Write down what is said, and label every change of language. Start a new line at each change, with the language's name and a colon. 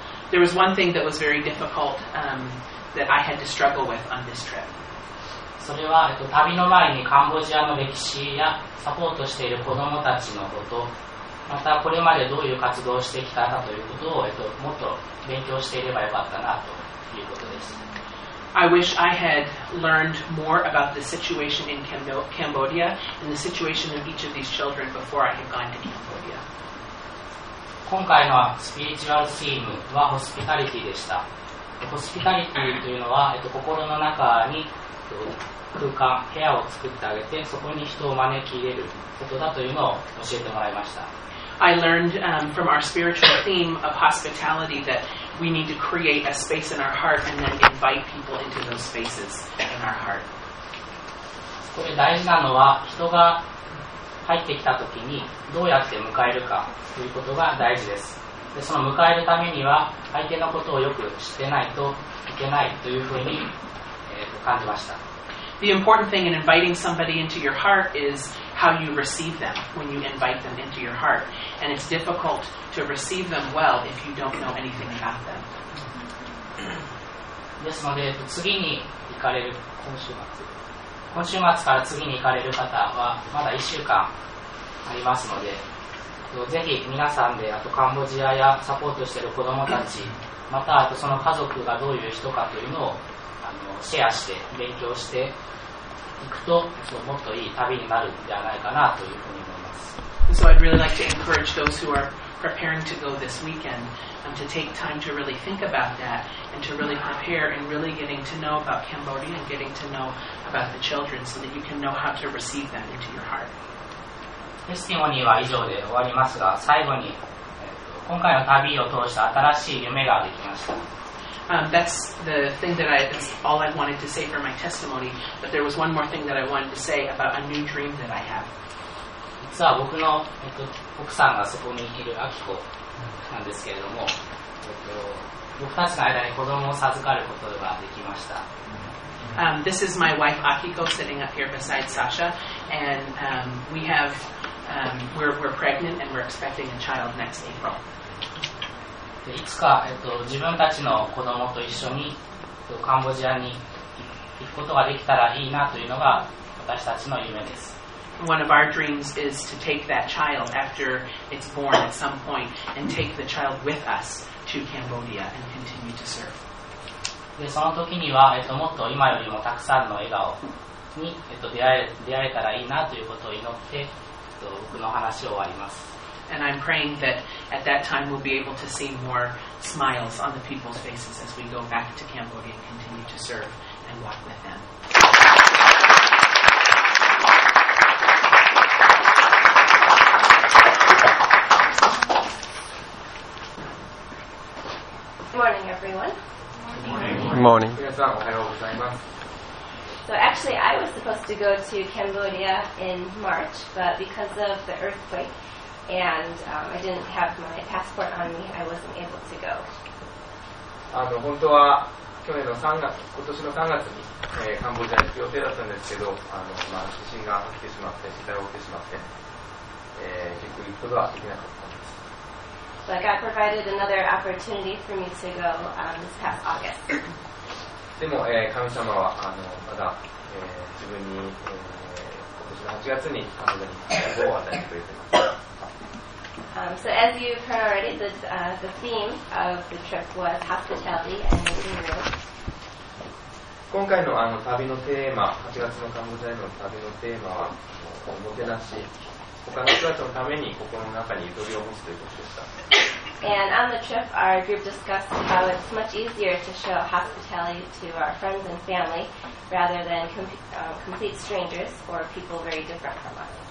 English: There was one thing that was very difficult, that I had to struggle with on this trip.
Japanese: それは、旅の前にカンボジアの歴史やサポートしている子どもたちのこと、またこれまでどういう活動をしてきたかということを、もっと勉強していればよかったなということです。
English: I wish I had learned more about the situation in Cambodia and the situation of each of these children before I had gone to Cambodia.
Japanese: 今回のスピリチュアルチームはホスピタリティでした。ホスピタリティというのは、心の中に空間、部屋を作ってあげて、そこに人を招き入れることだというのを教えてもらいました。
English: I learned, from our spiritual theme of hospitality that we need to create a space in our heart and then invite people into those spaces in our heart.
Japanese: これ大事なのは、人が入ってきたときにどうやって迎えるかということが大事です。で、その迎えるためには、相手のことをよく知ってないといけないというふうに感じました。
English: The important thing in inviting somebody into your heart is how you receive them when you invite them into your heart. And it's difficult to receive them well if you don't know anything about them.
Japanese: ですので、次に行かれる今週末から次に行かれる方はまだ1週間ありますので、ぜひ皆さんでカンボジアやサポートしている子どもたち、またその家族がどういう人かというのをシェアして勉強していくと、もっといい旅になるんじゃないかなというふうに思います。
English: So I'd really like to encourage those who are preparing to go this weekend, to take time to really think about that and to really prepare and really getting to know about Cambodia and getting to know about the children so that you can know how to receive them into your heart.
Japanese: テスティモニーは以上で終わりますが、最後に今回の旅を通した新しい夢ができました。
English: That's the thing that that's all I wanted to say for my testimony. But there was one more thing that I wanted to say about a new dream that I have.
Japanese: 実は僕の奥さんがそこにいるアキコなんですけれども、僕たちの間に子供を授かることができました。
English: This is my wife Akiko sitting up here beside Sasha, and we have we're pregnant and we're expecting a child next April.
Japanese: いつか、自分たちの子供と一緒に、カンボジアに行くことができたらいいなというのが私たちの夢です。
English: One of our dreams is to take that child after it's born at some point and take the child with us to Cambodia and continue to serve.
Japanese: で、その時には、もっと今よりもたくさんの笑顔に、出会えたらいいなということを祈って、僕の話を終わります。
English: And I'm praying that at that time we'll be able to see more smiles on the people's faces as we go back to Cambodia and continue to serve and walk with them. Good morning, everyone. Good morning. Good morning. So actually, I was supposed to go to Cambodia in March, but because of the earthquake and I didn't have my passport on me, I wasn't able to go.
Japanese: 本当は去年の3月、今年の3月に、カンボジアに行く予定だったんですけど、まあ、地震が起きてしまって、地震が起きてしまって、結局行くことはできなかったんです。
English: But God provided another opportunity for me to go, this past August.
Japanese: でも、神様はまだ、自分に、今年の8月にカンボジアに行く希望を与えてくれています。
English: So as you've heard already, the theme of the trip was hospitality and making room.
Japanese: 今回の旅のテーマ、8月のカンボジアへの旅のテーマは、おもてなし。他の人たちのために心の中にゆとりを持つということでした。
English: And on the trip, our group discussed how it's much easier to show hospitality to our friends and family rather than complete strangers or people very different from us.